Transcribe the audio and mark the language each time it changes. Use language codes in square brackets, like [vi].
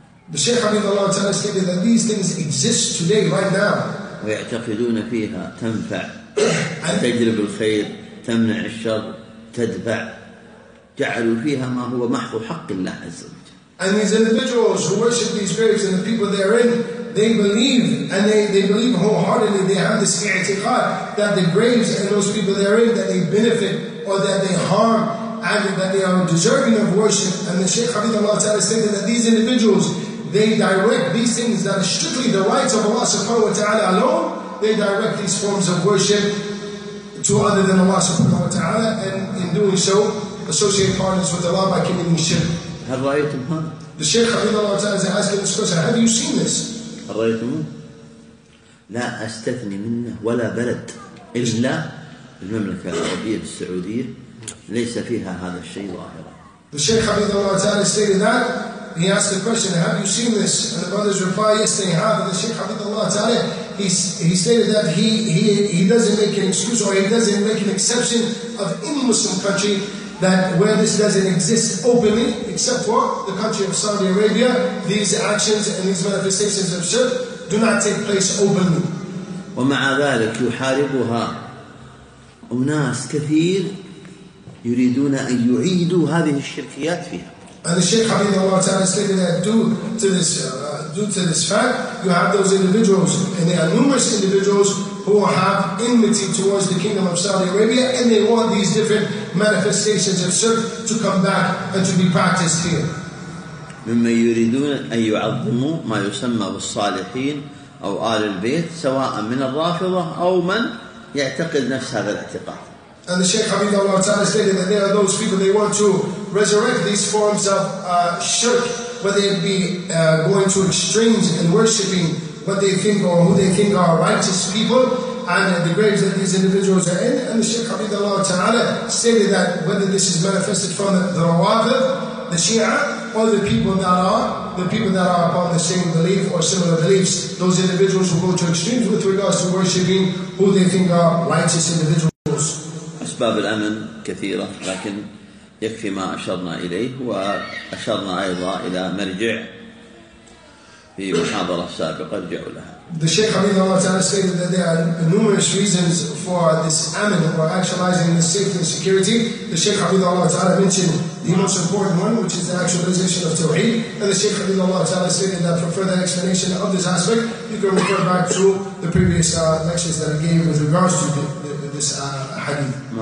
[en] The Shaykh Hafidhullah Ta'ala stated that these things exist today, right now. [ar] ويعتقدون فيها تنفع تجلب الخير تمنع الشر تدفع جعلوا فيها ما هو محض حق الله عز وجل. [en] And these individuals who worship these graves and the people therein, they believe, and they believe wholeheartedly, they have this i'tiqad that the graves and those people therein, that they benefit or that they harm, and that they are deserving of worship. And the Shaykh Hafidhullah Ta'ala stated that these individuals, they direct these things that are strictly the rights of Allah subhanahu wa ta'ala alone. They direct these forms of worship to other than Allah subhanahu wa ta'ala, and in doing so, associate partners with Allah by committing shirk. Have you seen this? The Shaykh Hafidhullah Ta'ala is asking this question, have you seen this? Have you seen this? [ar] لا أستثني منه ولا بلد إلا المملكة العربية السعودية ليس فيها هذا الشيء ظاهرا. [en] The Shaykh Hafidhullah Ta'ala stated that. He asked the question, have you seen this? And the brothers replied, yes, they have. And the Shaykh Hafidhullah Ta'ala, he stated that he doesn't make an excuse or he doesn't make an exception of any Muslim country that where this doesn't exist openly, except for the country of Saudi Arabia. These actions and these manifestations of shirk do not take place openly. [ar] ومع ذلك يحاربها أناس كثير يريدون أن يعيدوا هذه الشركيات فيها. [en] And the Shaykh Hafidhullah Ta'ala stated that due to this fact, you have those individuals, and there are numerous individuals who have enmity towards the Kingdom of Saudi Arabia, and they want these different manifestations of shirk to come back and to be practiced here. [ar] مما يريدون أن يعظموا ما يسمى بالصالحين أو آل البيت سواء من الرافضة أو من يعتقد نفس هذا الاعتقاد. [en] And the Shaykh Hafidhullah Ta'ala stated that there are those people, they want to resurrect these forms of shirk, whether it be going to extremes and worshipping what they think or who they think are righteous people, and the graves that these individuals are in. And the Shaykh Hafidhullah Ta'ala stated that whether this is manifested from the Rawatib, the Shia, or the people that are upon the same belief or similar beliefs, those individuals who go to extremes with regards to worshipping who they think are righteous individuals. [ar] أسباب الأمن كثيرة، لكن يكفي ما أشرنا إليه، وأشرنا أيضا إلى مرجع في محاضرة سابقة رجعوا لها. [en] The Shaykh Hafidhullah Ta'ala stated that there are numerous reasons for this amen or actualizing the safety and security. The Shaykh Hafidhullah Ta'ala mentioned the most important one, which is the actualization of Tawheed. And the Shaykh Hafidhullah Ta'ala stated that for further explanation of this aspect, you can refer back to the previous lectures that I gave with regards to this hadith.